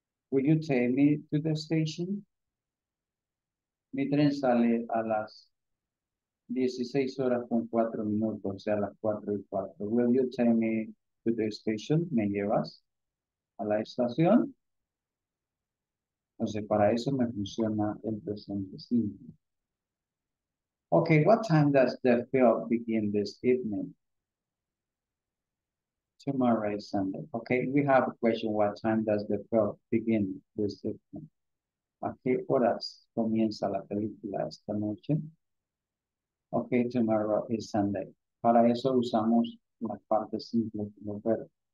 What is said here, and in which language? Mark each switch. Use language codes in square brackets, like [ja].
[en] Will you take me to the station? [es] Mi tren sale a las 16:04, o sea, a las 4:04. [en] Will you take me to the station? [es] ¿Me llevas a la estación? Entonces, para eso me funciona el presente simple. [en] Okay, what time does the film begin this evening? Tomorrow is Sunday. Okay, we have a question. What time does the film begin this evening? [es] ¿A qué horas comienza la película esta noche? [en] Okay, tomorrow is Sunday. [es] Para eso usamos la parte simple de los verbos.